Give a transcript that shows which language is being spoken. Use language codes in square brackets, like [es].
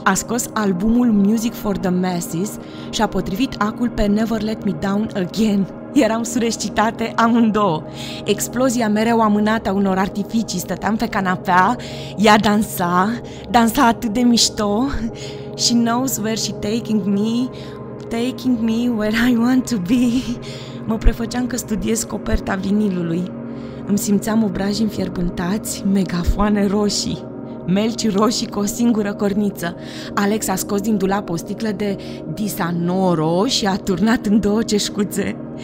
[ro] A scos albumul Music for the Masses și a potrivit acul pe Never Let Me Down Again. Eram sureșcitate amândouă. Explozia mereu amânată a unor artificii. Stăteam pe canapea, ea dansa atât de mișto. [en] She knows where she's taking me where I want to be. [ro] Mă prefăceam că studiez coperta vinilului. Îmi simțeam obrajii înfierbântați, megafoane roșii, melci roșii cu o singură corniță. Alex a scos din dulap o sticlă de Disanoro și a turnat în două ceșcuțe.